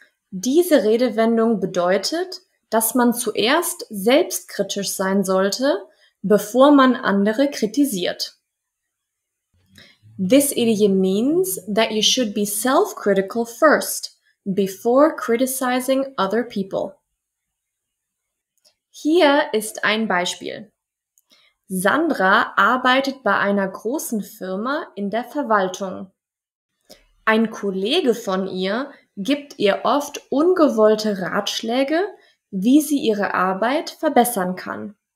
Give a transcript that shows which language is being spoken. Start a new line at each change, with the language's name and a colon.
German: Diese Redewendung bedeutet, dass man zuerst selbstkritisch sein sollte, bevor man andere kritisiert.
English: This idiom means that you should be self-critical first, before criticizing other people.
German: Hier ist ein Beispiel. Sandra arbeitet bei einer großen Firma in der Verwaltung. Ein Kollege von ihr gibt ihr oft ungewollte Ratschläge, wie sie ihre Arbeit verbessern kann.